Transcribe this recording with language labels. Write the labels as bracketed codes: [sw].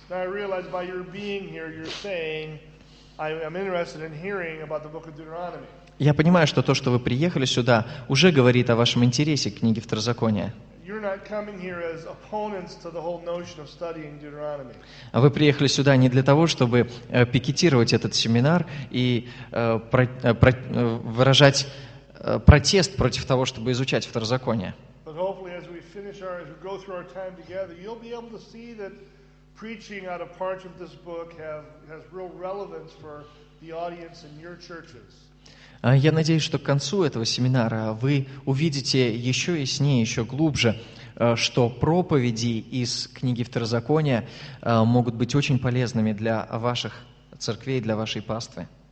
[ru] Я понимаю, что то, что вы приехали сюда, уже говорит о вашем интересе к книге Второзакония. Вы приехали сюда не для того, чтобы пикетировать этот семинар и выражать протест против того, чтобы изучать Второзаконие. [en] But hopefully as we finish our, as we go through our time together, you'll be able to see that preaching out of parts of this book has real relevance for the audience in your churches. [ru] Я надеюсь, что к концу этого семинара вы увидите еще яснее, еще глубже, что проповеди из книги Второзакония могут быть очень полезными для ваших церквей, для вашей паствы.